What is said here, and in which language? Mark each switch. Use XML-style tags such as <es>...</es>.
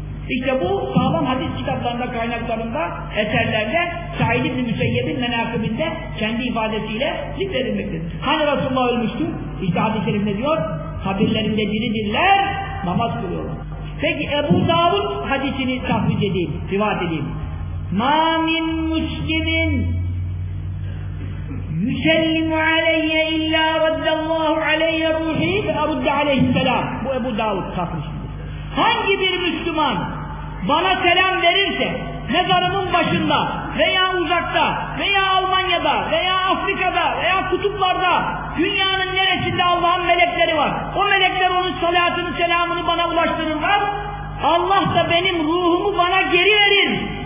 <tr>İşte bu sağlam hadis kitaplarında, kaynaklarında, eserlerde, Said ibn-i Müseyyeb'in menakıbinde kendi ifadesiyle zikredilmektir. Hani Resulullah ölmüştü? İşte hadis-i kerim ne diyor? Kabirlerinde diridirler, namaz kılıyorlar. Peki Ebu Davud hadisini tahfiz edeyim, rivayet edeyim.</tr> <ar>مَا مِنْ مُسْلِمٍ يُسَلِّمُ عَلَيْهَ اِلَّا رَدَّ اللّٰهُ عَلَيْهَ رُوْحِهِ فَأَرُدَّ عَلَيْهِ السَّلَامُ</ar> <tr>Bu Ebu Davud tahfizidir. Hangi bir Müslüman bana selam verirse, mezarımın başında veya uzakta veya Almanya'da veya Afrika'da veya kutuplarda dünyanın neresinde Allah'ın melekleri var. O melekler onun salatını selamını bana ulaştırırlar. Allah da benim ruhumu bana geri verir.</tr>